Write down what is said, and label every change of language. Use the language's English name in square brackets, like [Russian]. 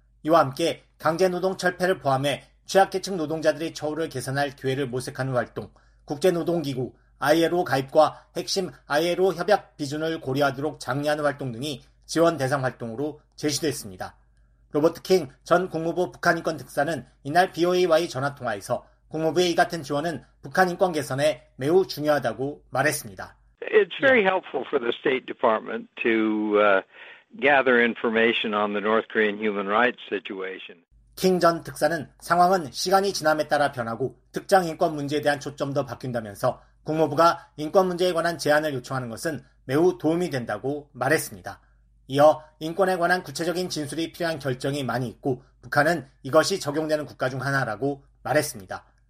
[Korean] 이와 함께 강제노동 철폐를 포함해 취약계층 노동자들의 처우를 개선할 기회를 모색하는 활동, 국제노동기구, ILO 가입과 핵심 ILO 협약 비준을 고려하도록 장려하는 활동 등이 지원 대상 활동으로 제시됐습니다. 로버트 킹 전 국무부 북한인권 특사는 이날 BOA와의 전화통화에서 국무부의 이 같은 지원은 북한인권 개선에 매우 중요하다고 말했습니다. [English] It's very helpful for the State Department to gather information on the North Korean human rights situation. [Korean] 킹 전 특사는 상황은 시간이 지남에 따라 변하고 특정 인권 문제에 대한 초점도 바뀐다면서 국무부가 인권 문제에 관한 제안을 요청하는 것은 매우 도움이 된다고 말했습니다. 이어 인권에 관한 구체적인 진술이 필요한 결정이 많이 있고 북한은 이것이 적용되는 국가 중 하나라고 말했습니다.